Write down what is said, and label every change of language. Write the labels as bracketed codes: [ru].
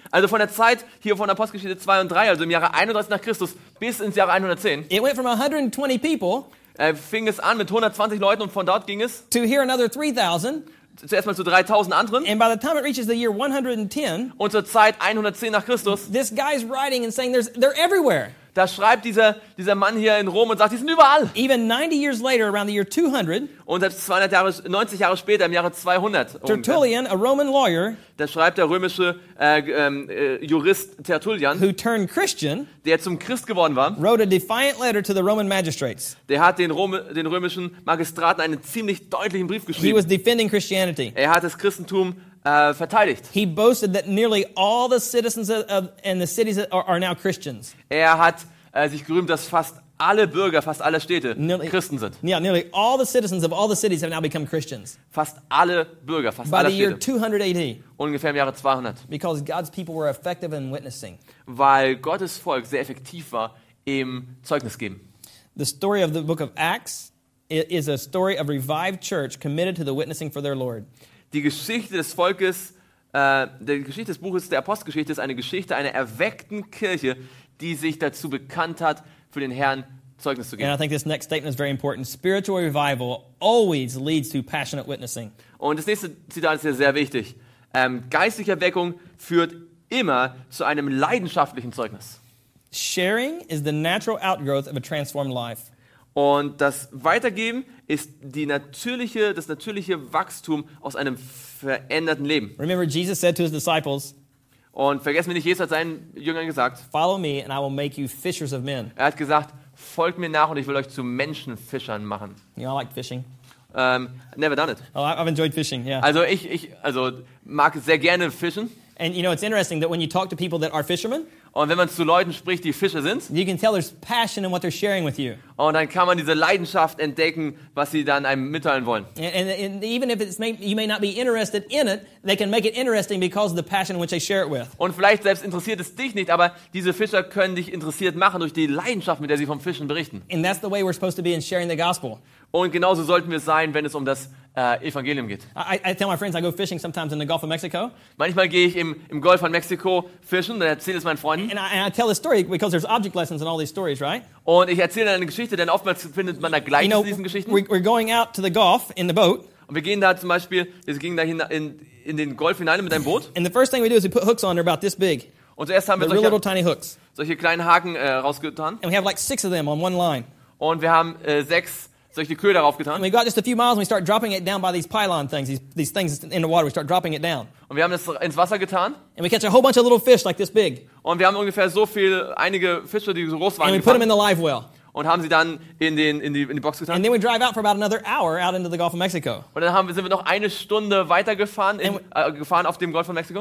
[de] also von der Zeit hier von Apostelgeschichte 2 und 3, also im Jahre 31 nach Christus bis ins Jahre 110, [en] it went from 120 people, [de] fing es an mit 120 Leuten und von dort ging es [en] to here another 3,000. [de] Zuerst mal zu 3000 anderen. [en] And by the time it reaches the year 110, [de] und zur Zeit 110 nach Christus, [en] this guy's writing and saying they're everywhere. [de] Da schreibt dieser Mann hier in Rom und sagt, die sind überall. [en] Even 90 years later, around the year 200, [de] und selbst 90 Jahre später, im Jahre 200, [en] Tertullian, a Roman lawyer, [de] da schreibt der römische Jurist Tertullian, [en] who turned Christian, [de] der zum Christ geworden war, [en] wrote a defiant letter to the Roman magistrates. [de] Der hat den römischen Magistraten einen ziemlich deutlichen Brief geschrieben. [en] He was defending Christianity. [de] Er hat das Christentum verteidigt. [en] He boasted that nearly all the citizens of and the cities are now Christians. [de] Er hat sich gerühmt, dass fast alle Bürger, fast alle Städte Christen sind. [en] Yeah, nearly all the citizens of all the cities have now become Christians. [de] Fast alle Bürger, fast [en] by [de] alle [en] the year [de] Städte. [en] 200 AD. [de] Ungefähr im Jahre 200. [en] Because God's people were effective in witnessing. [de] Weil Gottes Volk sehr effektiv war im Zeugnis geben. [en] The story of the book of Acts is a story of revived church committed to the witnessing for their Lord. [de] Die Geschichte des Volkes, die Geschichte des Buches der Apostelgeschichte ist eine Geschichte einer erweckten Kirche, die sich dazu bekannt hat, für den Herrn Zeugnis zu geben. [en] And I think this next statement is very important. Spiritual revival always leads to passionate witnessing. [de] Und das nächste Zitat ist hier sehr wichtig. Geistliche Erweckung führt immer zu einem leidenschaftlichen Zeugnis. [en] Sharing is the natural outgrowth of a transformed life. [de] Und das Weitergeben ist die natürliche, das natürliche Wachstum aus einem veränderten Leben. [en] Remember, Jesus said to his disciples, [de] und vergessen wir nicht, Jesus hat seinen Jüngern gesagt, [en] follow me and I will make you fishers of men. [de] Er hat gesagt, folgt mir nach und ich will euch zu Menschenfischern machen. [en] You all like fishing? Never done it. Oh, I've enjoyed fishing, yeah. [de] Also ich mag sehr gerne fischen. [en] And you know, it's interesting that when you talk to people that are fishermen, [de] und wenn man zu Leuten spricht, die Fischer sind, [en] you can tell there's passion in what they're sharing with you. [de] Und dann kann man diese Leidenschaft entdecken, was sie dann einem mitteilen wollen. [en] And even if it's you may not be interested in it, they can make it interesting because of the passion in which they share it with. [de] Und vielleicht selbst interessiert es dich nicht, aber diese Fischer können dich interessiert machen durch die Leidenschaft, mit der sie vom Fischen berichten. [en] And that's the way we're supposed to be in sharing the gospel. [de] Und genauso sollten wir sein, wenn es um das Evangelium geht. [en] I tell my friends I go fishing sometimes in the Gulf of Mexico. [de] Manchmal gehe ich im Golf von Mexiko fischen, dann erzähle es meinen Freunden. [en] And I tell a story because there's object lessons in all these stories, right? [de] Und ich erzähle eine Geschichte, denn oftmals findet man da Gleichnisse, [en] you know, [de] in diesen Geschichten. [en] We're going out to the Gulf in the boat. [de] Und wir gehen da zum Beispiel, wir gingen da in den Golf hinein mit einem Boot. [en] And the first thing we do is we put hooks on, they're about this big. [de] Und zuerst haben wir solche, [en] little tiny hooks. [de] Solche kleinen Haken rausgetan. [en] And we have like six of them on one line. [de] Und wir haben sechs solche Köder darauf getan. [en] We got just a few miles and we start dropping it down by these pylon things, these things in the water, we start dropping it down. [de] Und wir haben das ins Wasser getan. [en] And we catch a whole bunch of little fish like this big. [de] Und wir haben ungefähr so viel, einige Fische, die so groß waren. [en] And we put them in the live well. [de] Und haben sie dann in die Box getan. [en] And then we drive out for about another hour out into the Gulf of Mexico. [de] Und dann sind wir noch eine Stunde weiter gefahren auf dem Golf von Mexiko.